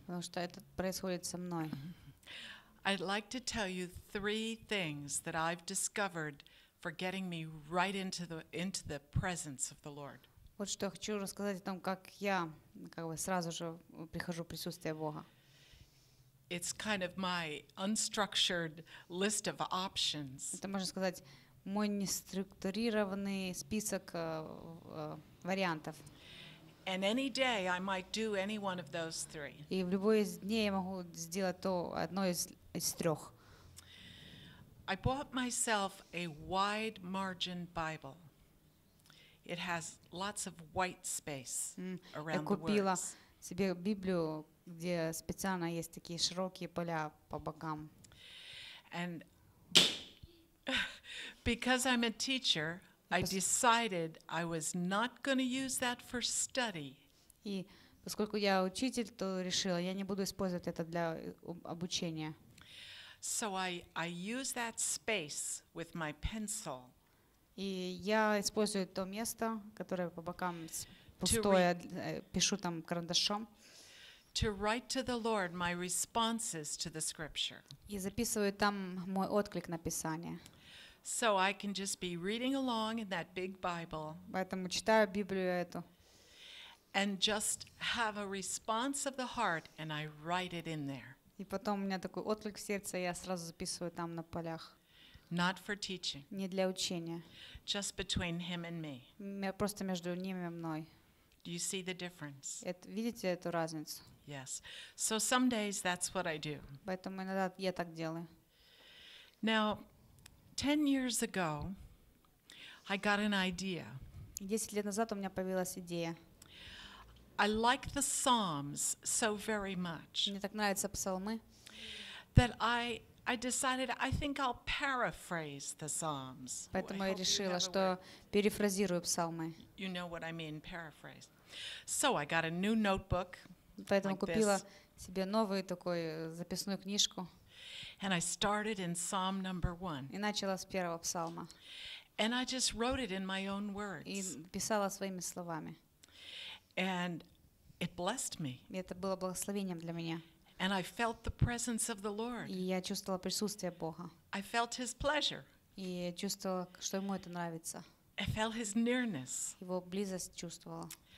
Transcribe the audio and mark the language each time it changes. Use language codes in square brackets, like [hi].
[ru] Потому что это происходит со мной. [en] I'd like to tell you three things that I've discovered for getting me right into the presence of the Lord. [ru] Вот что я хочу рассказать о том, как я как бы сразу же прихожу в присутствие Бога. [en] It's kind of my unstructured list of options. [ru] Это можно сказать мой неструктурированный список вариантов. [en] And any day I might do any one of those three. [ru] И в любой из дней я могу сделать то одно из трех. [en] I bought myself a wide margin Bible. It has lots of white space around the words. [ru] Я купила себе Библию, где специально есть такие широкие поля по бокам. [en] And because I'm a teacher, I decided I was not going to use that for study. [ru] И поскольку я учитель, то решила, я не буду использовать это для обучения. [en] So I use that space with my pencil. [ru] И я использую то место, которое по бокам пустое, пишу там карандашом. [en] To write to the Lord my responses to the scripture. [ru] И записываю там мой отклик на Писание. [en] So I can just be reading along in that big Bible. [ru] Поэтому читаю Библию эту. [en] And just have a response of the heart and I write it in there. [ru] И потом у меня такой отклик в сердце, я сразу записываю там на полях. [en] Not for teaching. [ru] Не для учения. [en] Just between him and me. [ru] Просто между ним и мной. [en] Do you see the difference? [ru] Видите эту разницу? [en] Yes. So some days that's what I do. [ru] Поэтому иногда я так делаю. [en] Now, 10 years ago, I got an idea. [ru] 10 лет назад у меня появилась идея. [en] I like the Psalms so very much. [ru] Мне так нравятся псалмы. [en] That I decided I think I'll paraphrase the Psalms. [ru] Поэтому я решила, что перефразирую псалмы. [en] You know what I mean, paraphrase. So I got a new notebook. [ru] Поэтому купила себе новую такую записную книжку. [en] And I started in Psalm number 1. [ru] И начала с первого псалма. [en] And I just wrote it in my own words. [ru] И писала своими словами. [en] And it blessed me. [ru] Это было благословением для меня. [en] And I felt the presence of the Lord. [ru] И я чувствовала присутствие Бога. [en] I felt his pleasure. [ru] И чувствовала, что ему это нравится. [en] I felt his nearness. [ru] Его близость чувствовала.